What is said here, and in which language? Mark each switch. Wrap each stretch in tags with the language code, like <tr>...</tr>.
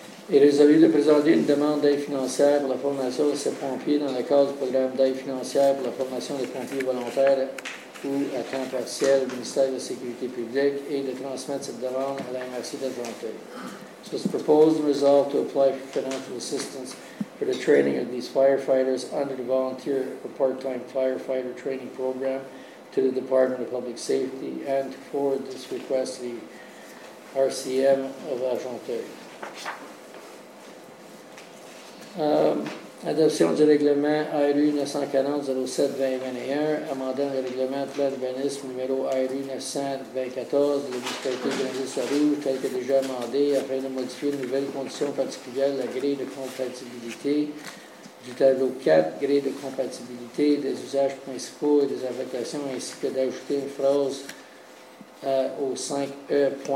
<fr>Il résolu de présenter une demande d'aide financière pour la formation de ses pompiers dans le cadre du programme d'aide financière pour la formation des pompiers volontaires ou à temps partiel au ministère de la Sécurité publique et de transmettre cette demande à la MRC de Toronto.</fr> <en>So it's proposed and resolved to apply for financial assistance for the training of these firefighters under the volunteer or part-time firefighter training program to the Department of Public Safety and to forward this request to the RCM of Argenteuil.</en> <fr>Adoption du règlement ARU 940-07-2021, amendant le règlement de plan d'urbanisme numéro ARU 924 de la municipalité de Grandville-sur-Rouge, tel que déjà amendé, afin de modifier une nouvelle condition particulière, la grille de compatibilité du tableau 4, grille de compatibilité des usages principaux et des affectations, ainsi que d'ajouter une phrase au 5E.</fr>